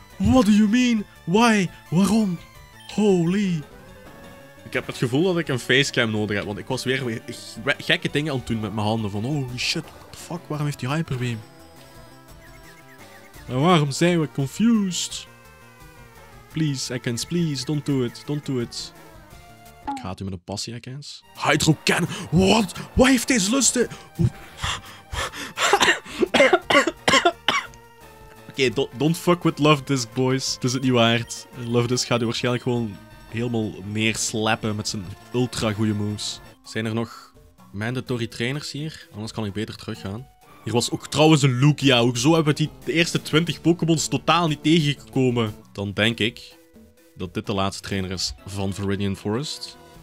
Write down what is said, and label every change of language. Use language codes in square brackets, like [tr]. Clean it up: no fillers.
[en] What do you mean? Why? [nl] Waarom? [en] Holy... [nl] Ik heb het gevoel dat ik een facecam nodig heb, want ik was weer gekke dingen aan het doen met mijn handen. Van, [en] oh shit, what the fuck, [nl] waarom heeft die hyperbeam? En waarom zijn we confused? [en] Please, Ekans, please, don't do it, don't do it. [nl] Ik haat u met een passie, Ekans. Hydro Cannon, wat? Wat heeft deze lusten? [en] Oké, don't fuck with Love Disc, boys. [nl] Het is het niet waard. Love Disc gaat u waarschijnlijk gewoon... helemaal neerslappen met zijn ultra goede moves. Zijn er nog mandatory trainers hier? Anders kan ik beter teruggaan. Hier was ook trouwens een Lugia. Hoezo hebben we de eerste 20 Pokémon's totaal niet tegengekomen? Dan denk ik dat dit de laatste trainer is van Viridian Forest.